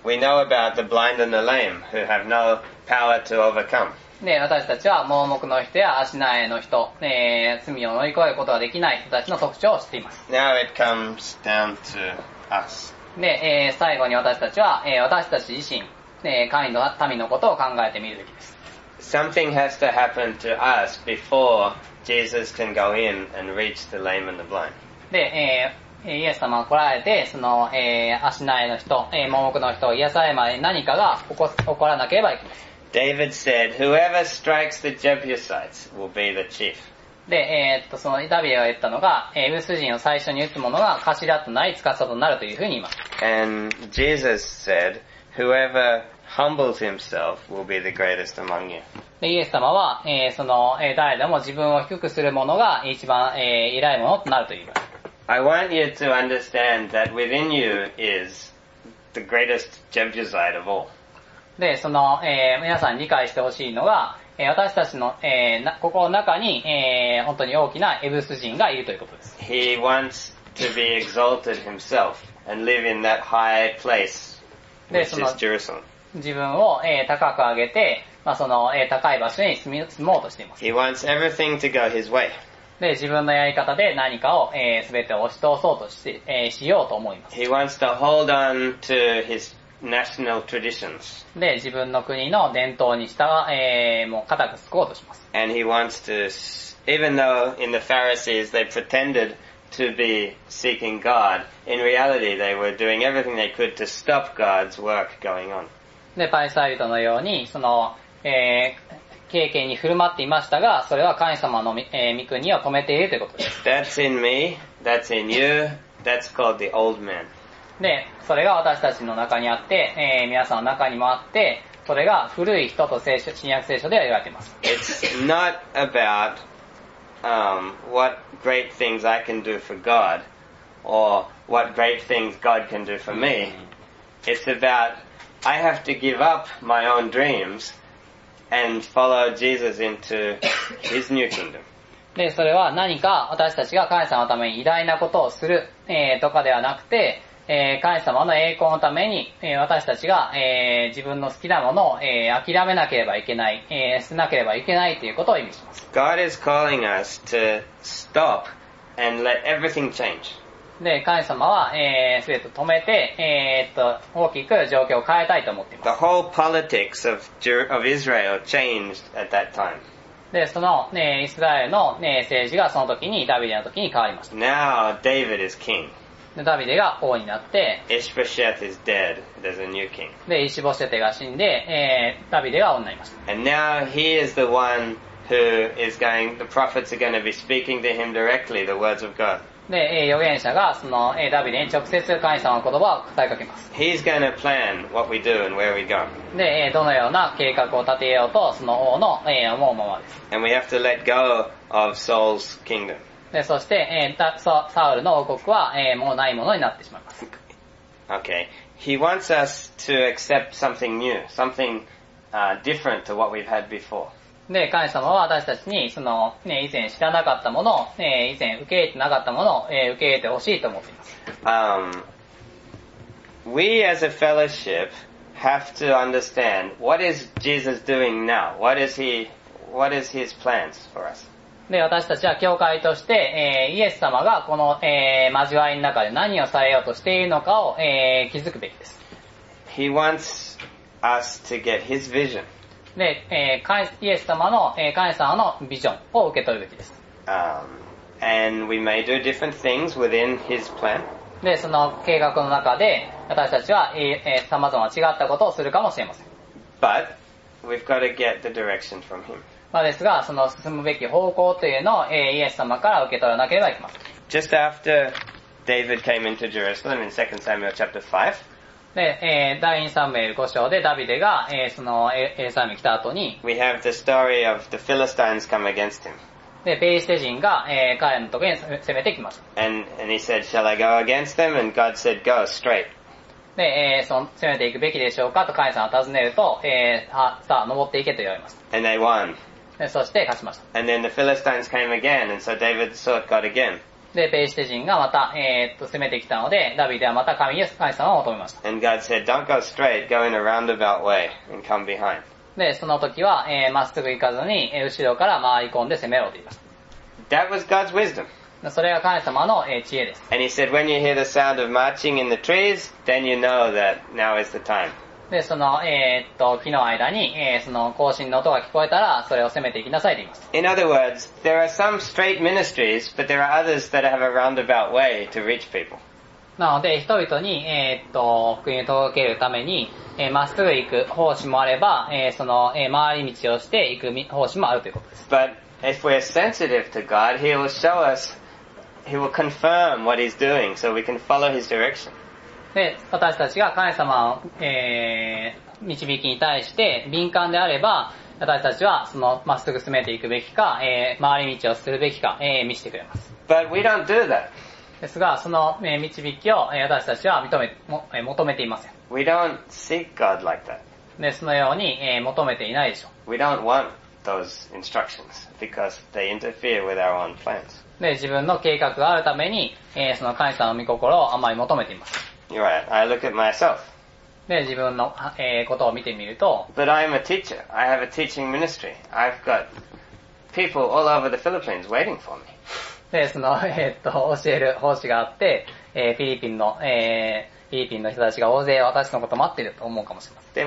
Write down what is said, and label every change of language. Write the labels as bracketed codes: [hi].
[en] We know about the blind and the lame who have no power to overcome. [ja] で、私たちは盲目の人や足ないの人、罪を乗り越えることができない人たちの特徴を知っています。 [en] Now it comes down to us. [ja] で、最後に私たちは、私たち自身、神の民のことを考えてみるべきです。 [en] Something has to happen to us before Jesus can go in and reach the lame and the blind. [ja] で、イエス様が来られて、その、足ないの人、盲目の人を癒されまで何かが起こらなければいけません。 [en] David said, whoever strikes the Jebusites will be the chief. [ja] で、そのダビデが言ったのが、エブス人を最初に打つ者が頭となり、司となるというふうに言います。 [en] And Jesus said, whoever humbles himself will be the greatest among you. [ja] で、イエス様は、その、誰でも自分を低くする者が一番、偉い者となるという言います。 [en] I want you to understand that within you is the greatest Jebusite of all. [ja] で、その、皆さん理解してほしいのが、私たちの、心の中に、本当に大きなエブス人がいるということです。 [en] He wants to be exalted himself and live in that high place, which is Jerusalem. [ja] 自分を、高く上げて、まあ、その、高い場所に住もうとしています。 [en] He wants everything to go his way. [ja] で、自分のやり方で何かを、全て押し通そうとして、しようと思います。 [en] He wants to hold on to his national traditions. [ja] で、自分の国の伝統に従う、もう固く継こうとします。 [en] And he wants to, even though in the Pharisees they pretended to be seeking God, in reality they were doing everything they could to stop God's work going on. [ja] で、パリサイ人のように、その、敬虔に振る舞っていましたが、それは神様の、御国を止めているということです。 [en] That's in me, that's in you, that's called the old man. [ja] で、それが私たちの中にあって、皆さんの中にもあって、それが古い人と聖書、新約聖書では言われています。 [en] It's not about, what great things I can do for God, or what great things God can do for me, It's about I have to give up my own dreams and follow Jesus into his new kingdom. [ja] で、それは何か私たちが神様のために偉大なことをする、とかではなくて、神様の栄光のために、私たちが、自分の好きなものを、諦めなければいけない、捨てなければいけないということを意味します。 [en] God is calling us to stop and let everything change. [ja] で、神様は、すべてを止めて、大きく状況を変えたいと思っています。 [en] The whole politics of Israel changed at that time. [ja] で、その、ね、イスラエルの、ね、政治がその時に、ダビデの時に変わりました。 [en] Now, David is king. [ja] で、ダビデが王になって、 [en] Ishbosheth is dead. There's a new king. [ja] で、イシボシェテが死んで、ダビデが王になりました。 [en] And now, he is the one who is going, the prophets are going to be speaking to him directly, the words of God. [ja] で、預言者がその、ダビデに直接神様の言葉を語りかけます。 [en] He's going to plan what we do and where we go. [ja] で、どのような計画を立てようと、その王の、思うままです。 [en] And we have to let go of Saul's kingdom. [ja] で、そして、サウルの王国は、もうないものになってしまいます。 [en] Okay. He wants us to accept something new, something, different to what we've had before. [ja] で、神様は私たちに、その、ね、以前知らなかったものを、以前受け入れてなかったものを、受け入れてほしいと思っています。 [en] We as a fellowship have to understand what is Jesus doing now? What is his plans for us? [ja] で、私たちは教会として、イエス様がこの、交わりの中で何をされようとしているのかを、気づくべきです。 [en] He wants us to get his vision. [ja] で、イエス様の、神様のビジョンを受け取るべきです。 [en] And we may do different things within his plan. [ja] で、その計画の中で、私たちは、様々違ったことをするかもしれません。 [en] But, we've got to get the direction from him. [ja] まあですが、その進むべき方向というのを、イエス様から受け取らなければいけません。 [en] Just after David came into Jerusalem in 2 Samuel chapter 5, [ja] で、第2サムエル5章でダビデが、そのエルサレムに来た後に [en] We have the story of the Philistines come against him. [ja] で、ペリシテ人が、彼のところに攻めてきました [en] And he said, shall I go against them? And God said, go straight. [ja] で、攻めていくべきでしょうかと神様を尋ねると、さあ、登っていけと言われました [en] 。 And they won. [ja] で、そして勝ちました。 [en] And then the Philistines came again, and so David sought God again. [ja] で、ペリシテ人がまた、攻めてきたので、ダビデはまた神様を求めました。 [en] And God said, don't go straight, go in a roundabout way, and come behind. [ja] で、その時は、まっすぐ行かずに、後ろから回り込んで攻めろと言いました。 [en] That was God's wisdom. [ja] それが神様の、知恵です。 [en] And he said, when you hear the sound of marching in the trees, then you know that now is the time. [ja] で、その、木の間に、その、行進の音が聞こえたら、それを攻めていきなさいと言います。 [en] In other words, there are some straight ministries, but there are others that have a roundabout way to reach people. [ja] なので、人々に、福音を届けるために、まっすぐ行く方針もあれば、その、回り道をして行く方針もあるということです。 [en] But if we're sensitive to God, He will show us, He will confirm what He's doing, so we can follow His direction. [ja] で、私たちが神様の、導きに対して敏感であれば、私たちはそのまっすぐ進めていくべきか、回り道をするべきか、見せてくれます。 [en] But we don't do that. [ja] ですが、その、導きを、私たちは求めていません。 [en] We don't seek God like that. [ja] で、そのように、求めていないでしょう。 [en] We don't want those instructions because they interfere with our own plans. [ja] で、自分の計画があるために、その神様の御心をあまり求めています。 [en] You're right. I look at myself. [ja] で、自分の、ことを見てみると。 [en] But I'm a teacher. I have a teaching ministry. I've got people all over the Philippines waiting for me. [ja] で、その、教える奉仕があって、フィリピンの人たちが大勢私のこと待ってると思うかもしれません。